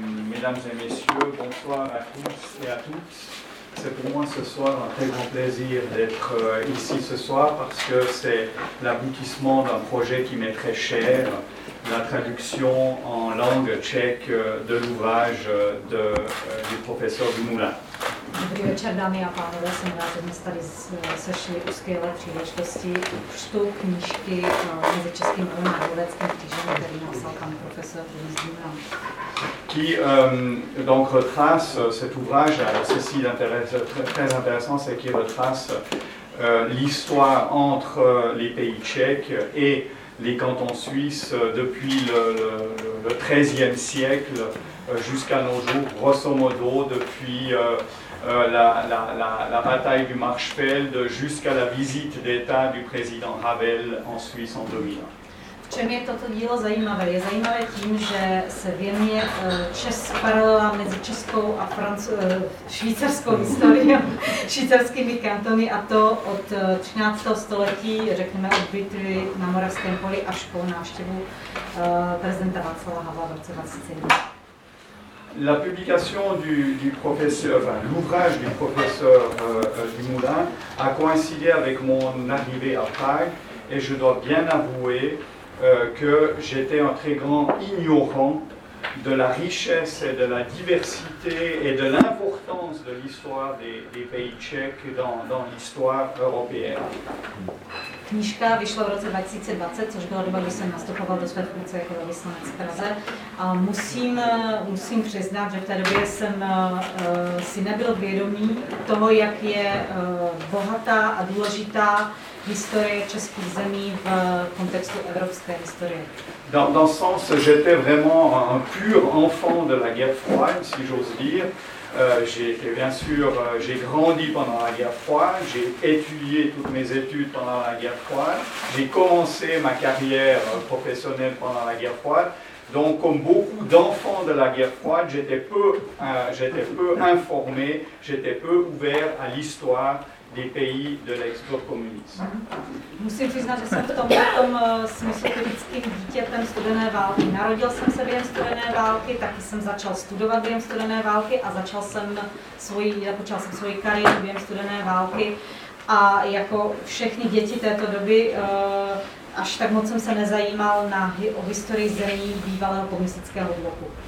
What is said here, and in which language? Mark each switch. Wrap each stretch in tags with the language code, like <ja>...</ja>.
<fr>Mesdames et messieurs, bonsoir à tous et à toutes. C'est pour moi ce soir un très grand plaisir d'être ici ce soir parce que c'est l'aboutissement d'un projet qui m'est très cher, la traduction en langue tchèque de l'ouvrage du professeur Dumoulin.</fr> <cs>Dobrý večer, dámy a pánové, jsem rád, že jsme tady sešli u skvělé příležitosti čtu knížky mezi českým a helvétským křížem, který napsal pan profesor Dumoulin.</cs> <fr>Qui donc retrace cet ouvrage, ceci d'intéressant, très intéressant, c'est qu'il retrace l'histoire entre les pays tchèques et les cantons suisses depuis le 13e siècle jusqu'à nos jours, grosso modo, depuis la bataille du Marchfeld jusqu'à la visite d'État du président Havel en Suisse en 2001.</fr> <cs>Čem je toto dílo zajímavé? Je zajímavé tím, že se věnuje paralela mezi českou a švýcarskou historií, švýcarskými kantony, a to od 13. století, řekněme od bitvy na Moravském poli až po návštěvu prezidenta Václava Havla v roce 2001.</cs> <fr>La publication du professeur, enfin, l'ouvrage du professeur Dumoulin a coïncidé avec mon arrivée à Prague et je dois bien avouer que j'étais un très grand ignorant de la richesse et de la diversité et de l'importance de l'histoire des pays tchèques dans l'histoire européenne.</fr> <cs>Knížka vyšla v roce 2020, což byla doba, kdy jsem nastupoval do své funkce jako velvyslanec v Praze. A musím přiznat, že v té době jsem si nebyl vědomý toho, jak je bohatá a důležitá historie českých zemí v kontextu evropské historie.</cs> <fr>Dans ce sens, j'étais vraiment un pur enfant de la guerre froide, si j'ose dire. J'ai grandi pendant la guerre froide, j'ai étudié toutes mes études pendant la guerre froide, j'ai commencé ma carrière professionnelle pendant la guerre froide. Donc, comme beaucoup d'enfants de la guerre froide, j'étais peu informé, j'étais peu ouvert à l'histoire des pays de l'ex-bloc communiste.</fr> <cs>Musím přiznat, že jsem v tom smyslu politickým dítětem studené války. Narodil jsem se během studené války, taky jsem začal studovat během studené války a započal jsem svoji kariéru během studené války. A jako všechny děti této doby, až tak moc jsem se nezajímal o historii zemí bývalého komunistického bloku.</cs>